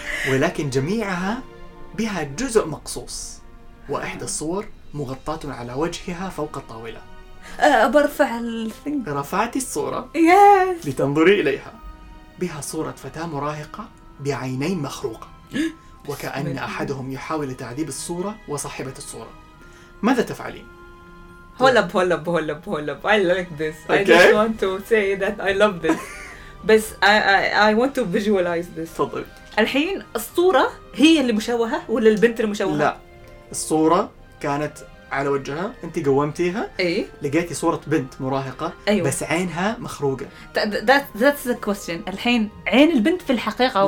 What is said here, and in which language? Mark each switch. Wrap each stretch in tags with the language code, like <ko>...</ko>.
<ar>ولكن جميعها بها جزء مقصوص، وإحدى الصور مغطاة على وجهها فوق الطاولة. أرفع رفعت الصورة.</ar> <en>yes.</en> <ar>لتنظري إليها. بها صورة فتاة مراهقة بعينين مخروقة، وكأن أحدهم يحاول تعذيب الصورة وصاحبة الصورة. ماذا تفعلين؟</ar> <en>Hold up. I like this. Okay. I just want to say that I love this. بس I want to visualize this.</en> <ar>تفضل. الحين الصورة هي اللي مشوهة ولا البنت اللي مشوهة؟ لا. الصورة كانت على وجهها، أنت قومتيها. إيه. لقيتي صورة بنت مراهقة. أيوة. بس عينها مخروقة.</ar> <en>That's the question.</en> <ar>الحين عين البنت في الحقيقة؟</ar>